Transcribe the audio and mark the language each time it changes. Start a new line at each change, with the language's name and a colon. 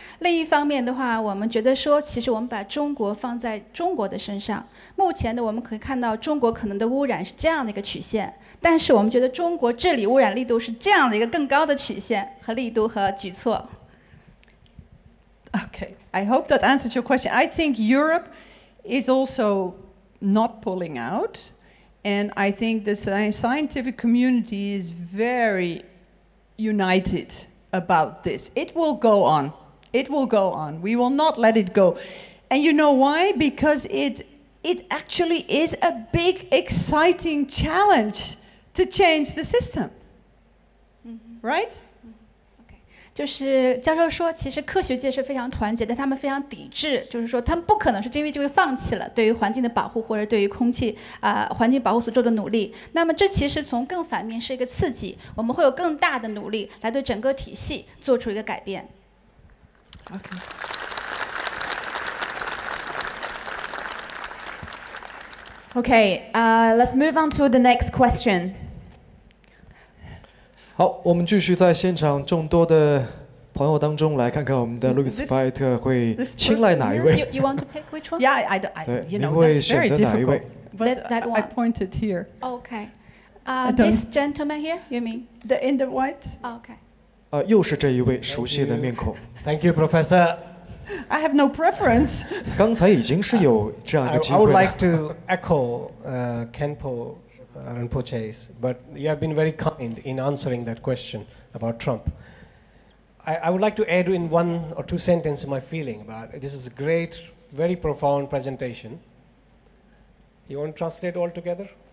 Chinese: 另一方面的话，我们觉得说，其实我们把中国放在中国的身上，目前呢，我们可以看到中国可能的污染是这样的一个曲线，但是我们觉得中国治理污染力度是这样的一个更高的曲线和力度和举措。
English: Okay. I hope that answers your question. I think Europe is also not pulling out. And I think the scientific community is very united about this. It will go on. It will go on. We will not let it go. And you know why? Because it actually is a big, exciting challenge to change the system. Mm-hmm. Right?
Chinese: 就是教授说，其实科学界是非常团结的，他们非常抵制，就是说他们不可能是因为就会放弃了对于环境的保护或者对于空气环境保护所做的努力。那么这其实从更反面是一个刺激，我们会有更大的努力来对整个体系做出一个改变。
English: Okay. Okay. Let's move on to the next question.
Chinese: 好，我们继续在现场众多的朋友当中来看看我们的 Louis Fight 会青睐哪一位
English: you want to pick which one? Yeah, I don't, I, you know, that's very difficult. But that one. I pointed here. Okay. This gentleman here, you mean? The in the white? Okay.
Chinese: 又是这一位熟悉的面孔。
English: Thank you, Professor. I have no preference.
Chinese: 刚才已经是有这样一个机会了。
English: I would like to echo Kenpo Rinpoche's, but you have been very kind in answering that question about Trump. I would like to add in one or two sentences my feeling about it. This is a great, very profound presentation. You want to translate all together?